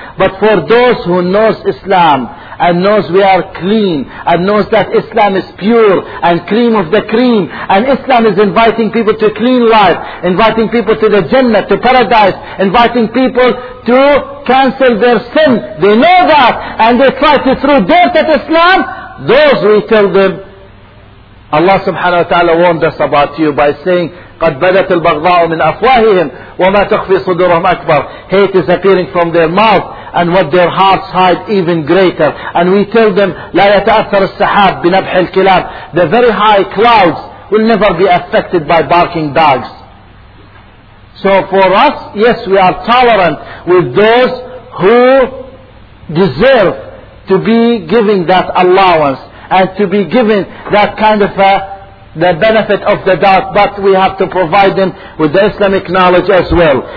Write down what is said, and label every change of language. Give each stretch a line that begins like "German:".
English: But for those who knows Islam and knows we are clean and knows that Islam is pure and cream of the cream, and Islam is inviting people to a clean life, inviting people to the Jannah, to paradise, inviting people to cancel their sin, they know that, and they try to throw dirt at Islam, those we tell them, Allah subhanahu wa ta'ala warned us about you by saying,
Arabic: قَدْ بَدَتِ الْبَغْضَاءُ مِنْ أَفْوَاهِهِمْ وَمَا تَخْفِي صُدُورَهُمْ أَكْبَرُ.
English: Hate is appearing from their mouth, and what their hearts hide even greater. And we tell them,
Arabic: لَا يَتَأَثَرُ السَّحَابُ بِنَبْحِ الْكِلَابِ.
English: The very high clouds will never be affected by barking dogs. So for us, yes, we are tolerant with those who deserve to be given that allowance and to be given that kind of the benefit of the doubt, but we have to provide them with the Islamic knowledge as well.